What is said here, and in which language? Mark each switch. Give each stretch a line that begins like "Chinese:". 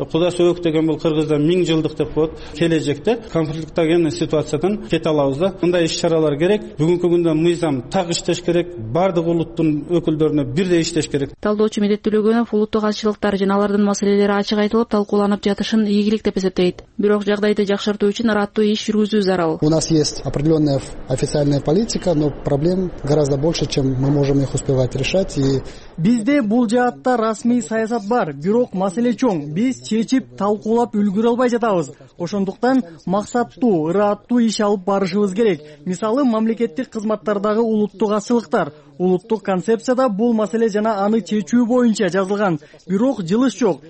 Kyrgyz: Куда сөөк деген бул кыргыз миң жылдык деп коет, келечекте конфликтоген ситуациядан кете алабыз да. Мындай иш чаралар керек. Бүгүнкү күндө мыйзам так иштеш керек, бардык улуттун өкүлдөрүнө бирдей иштеш керек. Талдоочу Медет Төлөгөнов улуттук азчылыктар жана алардын маселелери ачык айтылып талкууланып жатышын ийгилик деп эсептейт. Бирок жагдайды жакшыртуу үчүн ыраттуу иш жүргүзүү зарыл.
Russian: У нас есть определенная официальная политика, но проблем гораздо больше, чем мы можем их успевать решать. И
Kyrgyz: бизде бул жаатта расмий саясат бар, бирок маселе чоң. Биз чечип талкуулап үлгүрө албай жатабыз. Ошондуктан максаттуу, ыраттуу иш алып барышыбыз керек. Мисалы, мамлекеттик кызматтардагы улуттук азчылыктар. Улуттук концепцияда бул маселе жана аны чечүү боюнча жазылган. Бирок жылыш жок.